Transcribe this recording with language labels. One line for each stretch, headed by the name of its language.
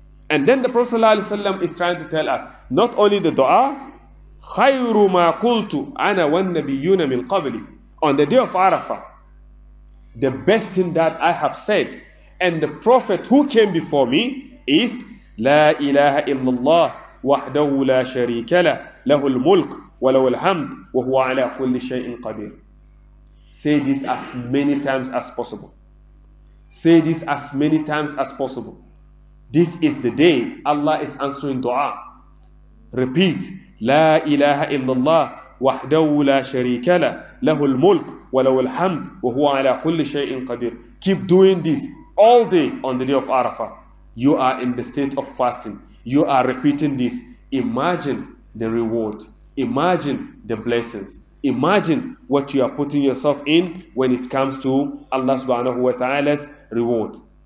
English: And then the Prophet ﷺ is trying to tell us, not only the dua,
Arabic: خَيْرُ مَا قُلْتُ أَنَا وَالنَّبِيُّونَ مِنْ قَبْلِ,
English: on the day of Arafah, the best thing that I have said and the Prophet who came before me is
Arabic: لا إله إلا الله وحده لا شريك له له الملك وله الحمد وهو على كل شيء قدير.
English: Say this as many times as possible. Say this as many times as possible. This is the day Allah is answering dua.
Arabic: Repeat, لا إله إلا الله وحده لا شريك له له الملك وله الحمد وهو على كل شيء قدير.
English: Keep doing this all day on the day of Arafah. You are in the state of fasting. You are repeating this. Imagine the reward. Imagine the blessings. Imagine what you are putting yourself in when it comes to Allah subhanahu wa ta'ala's reward.